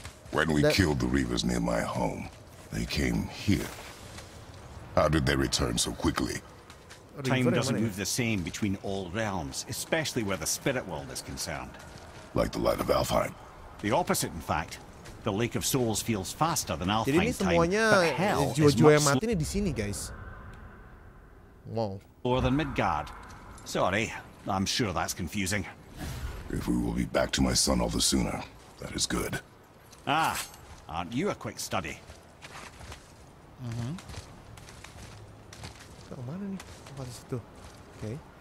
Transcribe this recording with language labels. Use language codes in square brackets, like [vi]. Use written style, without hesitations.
[en] When we killed the Reavers near my home, they came here. How did they return so quickly? Time doesn't move the same between all realms, especially where the spirit world is concerned. Like the Light of Alfheim. The opposite, in fact. The Lake of Souls feels faster than Alfheim [id] time. Jadi ini semuanya jiwa-jiwa yang mati ini di sini, guys. Wow. [en] Or the Midgard. Sorry, I'm sure that's confusing. If we will be back to my son all the sooner, that is good. Ah, aren't you a quick study? [id] Kita kemana nih? Tempat disitu. Oke.